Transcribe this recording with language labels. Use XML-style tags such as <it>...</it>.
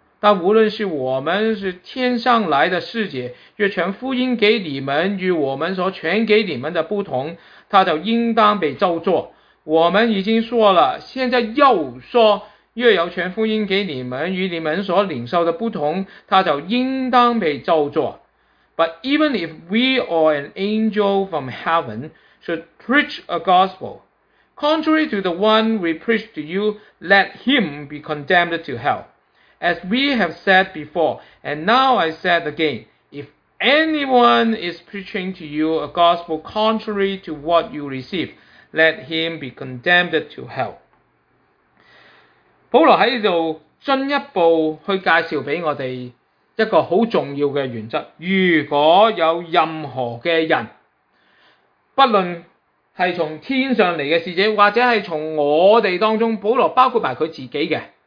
<zh>但无论是我们是天上来的使者，若传福音给你们与我们所传给你们的不同，他就应当被咒诅。我们已经说了，现在又说，若有传福音给你们与你们所领受的不同，他就应当被咒诅。</zh> <en>But even if we or an angel from heaven should preach a gospel contrary to the one we preach to you, let him be condemned to hell. As we have said before, and now I said again, if anyone is preaching to you a gospel contrary to what you receive, let him be condemned to hell.</en> <zh>保罗在这里进一步去介绍给我们一个很重要的原则，如果有任何的人，不论是从天上来的使者，或者是从我们当中，保罗包括他自己的，</zh>